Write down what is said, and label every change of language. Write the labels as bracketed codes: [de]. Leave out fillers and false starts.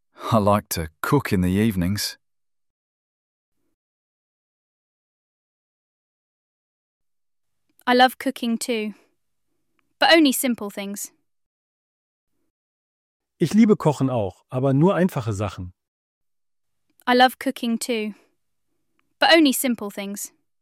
[en] I like to cook in the evenings. I love cooking too, but only simple things. [de] Ich liebe Kochen auch, aber nur einfache Sachen. [en] I love cooking too, but only simple things.